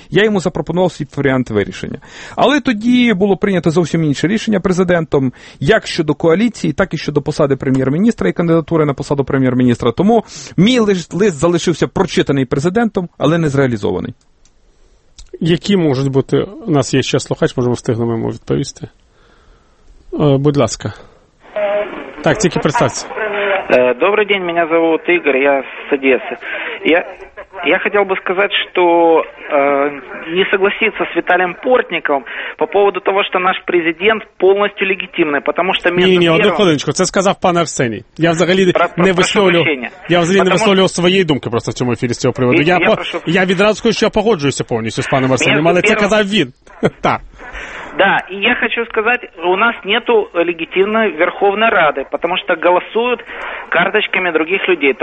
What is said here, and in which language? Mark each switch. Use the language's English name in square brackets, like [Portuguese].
[Ukrainian] Я йому запропонував свій варіант вирішення. Але тоді було прийнято зовсім інше рішення президентом, як щодо коаліції, так і щодо посади прем'єр-міністра і кандидатури на посаду прем'єр-міністра. Тому мій лист залишився прочитаний президентом, але не зреалізований. Які можуть бути, у нас є ще слухач, може ми встигнемо йому відповісти. Будь ласка. Так, тільки представці. [Russian] Добрый день, меня зовут Игорь, я с Одессы. Я хотел бы сказать, что не согласиться с Виталием Портниковым по поводу того, что наш президент полностью легитимный, потому что... [Ukrainian] Ні, одну хвилиночку, це сказав пан Арсеній. Я взагалі не висловлював своєї думки просто в цьому ефірі з цього приводу. Я відразу скажу, що я погоджуюся повністю з паном Арсенієм, але це казав він. Так. [Russian] Да, и я хочу сказать, у нас нету легитимной Верховной Рады, потому что голосуют карточками других людей.